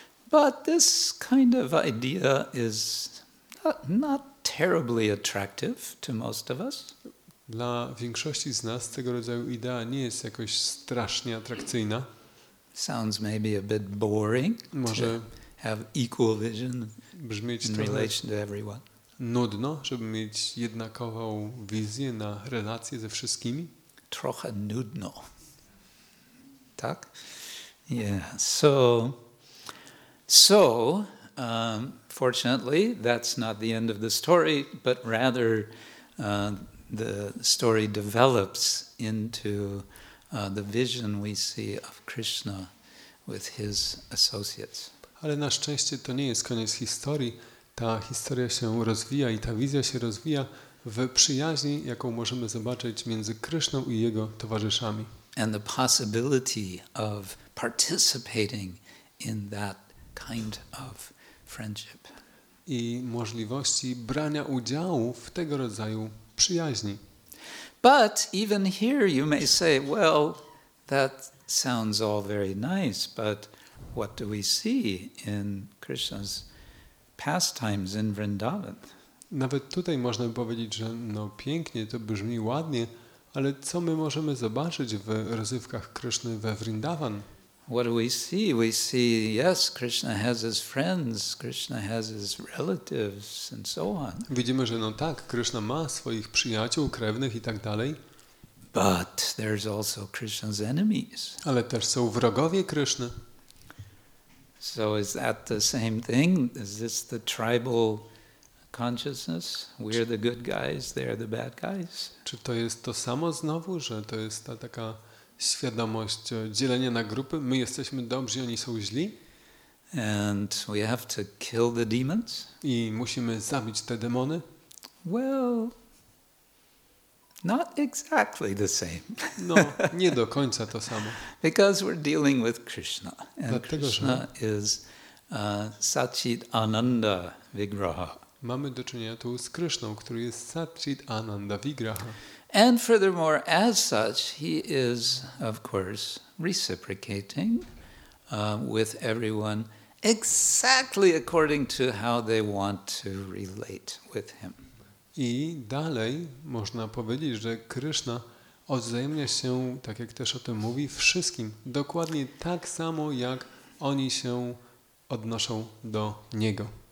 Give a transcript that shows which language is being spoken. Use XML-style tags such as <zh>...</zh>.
<en>But this kind of idea is not terribly attractive to most of us.</en> <pl>Dla większości z nas tego rodzaju idea nie jest jakoś strasznie atrakcyjna.</pl> <en>Sounds maybe a bit boring.</en> <pl>Może</pl> <en>have equal vision in relation to everyone.</en> <pl>Nudno, żeby mieć jednakową wizję na relacje ze wszystkimi. Trochę nudno. Tak?</pl> <en>Yeah. So, fortunately, that's not the end of the story, but rather the story develops into the vision we see of Krishna with his associates.</en> <pl>Ale na szczęście to nie jest koniec historii. Ta historia się rozwija i ta wizja się rozwija w przyjaźni, jaką możemy zobaczyć między Kryszną i jego towarzyszami.</pl> <en>And the possibility of participating in that kind of friendship.</en> <pl>I możliwości brania udziału w tego rodzaju przyjaźni.</pl> <en>But even here you may say, well, that sounds all very nice, but what do we see in Krishna's pastimes in Vrindavan?</en> <pl>Nawet tutaj można by powiedzieć, że no pięknie, to brzmi ładnie, ale co my możemy zobaczyć w rozrywkach Kryszny we Vrindavan?</pl> <en>What do we see? We see, yes, Krishna has his friends, Krishna has his relatives and so on.</en> <pl>Widzimy, że no tak, Krishna ma swoich przyjaciół, krewnych i tak dalej.</pl> <en>But there's also Krishna's enemies.</en> <pl>Ale też są wrogowie Kryszny.</pl> <en>So is that the same thing? Is this the tribal consciousness? We're the good guys, they're the bad guys.</en> <pl>Czy to jest to samo znowu, że to jest ta taka świadomość dzielenia na grupy? My jesteśmy dobrzy, oni są źli?</pl> <en>And we have to kill the demons?</en> <pl>I musimy zabić te demony?</pl> <en>Well, not exactly the same.</en> <pl>No, nie do końca to samo.</pl> <en>Because we're dealing with Krishna. And</en> <pl>dlatego,</pl> <en>Krishna is Satchit Ananda Vigraha.</en> <pl>Mamy do czynienia tu z Krishną, który jest Satchit Ananda Vigraha.</pl> <en>And furthermore, as such, he is, of course, reciprocating with everyone exactly according to how they want to relate with him.</en> <pl>I dalej można powiedzieć, że Krishna odwzajemnia się, tak jak też o tym mówi, wszystkim. Dokładnie tak samo, jak oni się odnoszą do Niego.</pl>